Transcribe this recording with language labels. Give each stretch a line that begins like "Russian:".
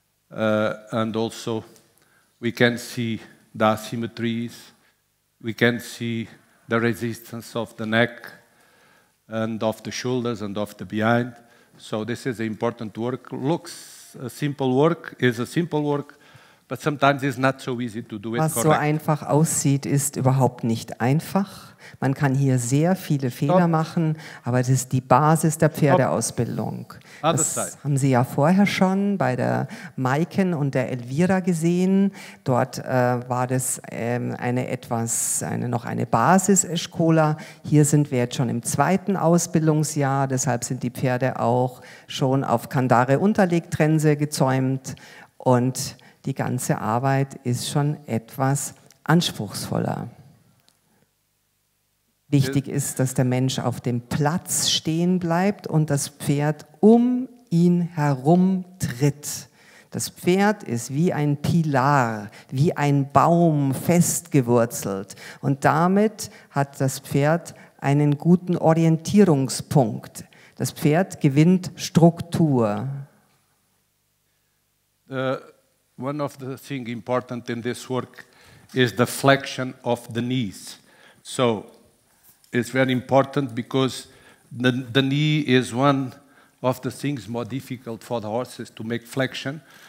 English: And also we can see the asymmetries. We can see the resistance of the neck and of the shoulders and of the behind. So this is an important work. Looks a simple work, is a simple work. But sometimes it's not so easy to do it.
German: Was so einfach aussieht, ist überhaupt nicht einfach. Man kann hier sehr viele Fehler machen, aber das ist die Basis der Pferdeausbildung. Das haben Sie ja vorher schon bei der Maiken und der Elvira gesehen. Dort war das eine Basis-Escola. Hier sind wir jetzt schon im zweiten Ausbildungsjahr. Deshalb sind die Pferde auch schon auf Kandare-Unterlegtrense gezäumt und die ganze Arbeit ist schon etwas anspruchsvoller. Wichtig ist, dass der Mensch auf dem Platz stehen bleibt und das Pferd um ihn herum tritt. Das Pferd ist wie ein Pilar, wie ein Baum festgewurzelt. Und damit hat das Pferd einen guten Orientierungspunkt. Das Pferd gewinnt Struktur.
English: One of the things important in this work is the flexion of the knees. So it's very important because the knee is one of the things more difficult for the horses to make flexion.